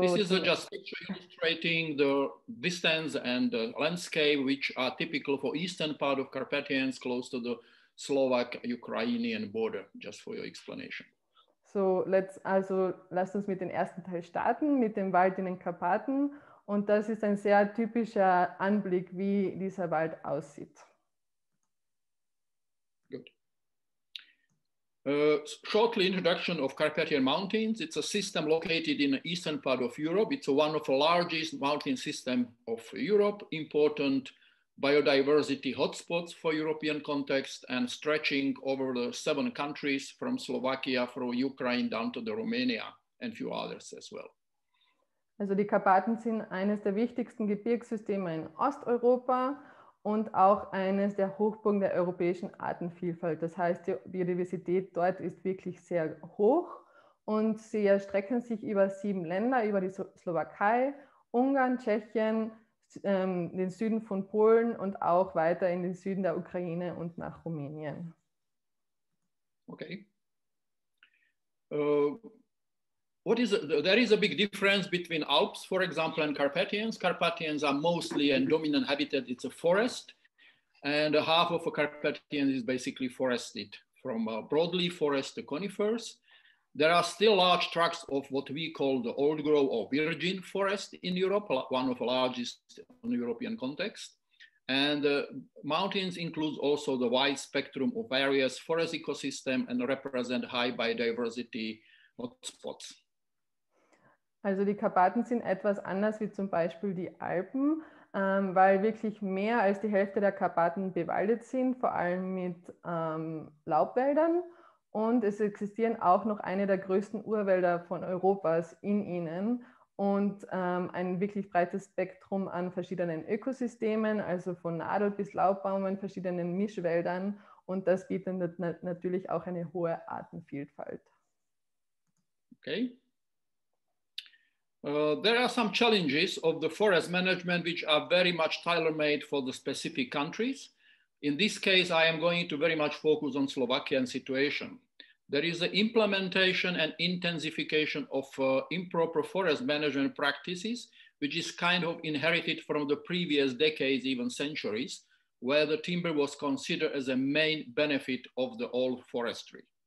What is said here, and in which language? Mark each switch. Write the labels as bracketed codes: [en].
[en] this is just illustrating the distance and the landscape, which are typical for eastern part of Carpathians, close to the Slovak-Ukrainian border, just for your explanation. [de] So, lasst uns mit dem ersten Teil starten, mit dem Wald in den Karpaten. Und das ist ein sehr typischer Anblick, wie dieser Wald aussieht. [en] Good. Shortly, introduction of Carpathian Mountains. It's a system located in the eastern part of Europe. It's one of the largest mountain system of Europe, important biodiversity hotspots for European context, and stretching over the seven countries from Slovakia through Ukraine down to the Romania and a few others as well. [de] Also die Karpaten sind eines der wichtigsten Gebirgssysteme in Osteuropa und auch eines der Hochburgen der europäischen Artenvielfalt. Das heißt, die Biodiversität dort ist wirklich sehr hoch und sie erstrecken sich über sieben Länder, über die Slowakei, Ungarn, Tschechien, den Süden von Polen und auch weiter in den Süden der Ukraine und nach Rumänien. [en] Okay. What is there is a big difference between Alps, for example, and Carpathians. Carpathians are mostly and dominant habitat. It's a forest, and half of a Carpathian is basically forested, from broadly forest to conifers. There are still large tracts of what we call the old growth or virgin forest in Europe, one of the largest in the European context. And mountains include also the wide spectrum of various forest ecosystems and represent high biodiversity hotspots. [de] Also die Karpaten sind etwas anders wie zum Beispiel die Alpen, weil wirklich mehr als die Hälfte der Karpaten bewaldet sind, vor allem mit Laubwäldern. Und es existieren auch noch eine der größten Urwälder von Europas in ihnen und ein wirklich breites Spektrum an verschiedenen Ökosystemen, also von Nadel- bis Laubbäumen, verschiedenen Mischwäldern. Und das bietet natürlich auch eine hohe Artenvielfalt. [en] Okay. There are some challenges of the forest management, which are very much tailor-made for the specific countries. In this case, I am going to very much focus on Slovakian situation. There is the implementation and intensification of improper forest management practices, which is kind of inherited from the previous decades, even centuries, where the timber was considered as a main benefit of the old forestry.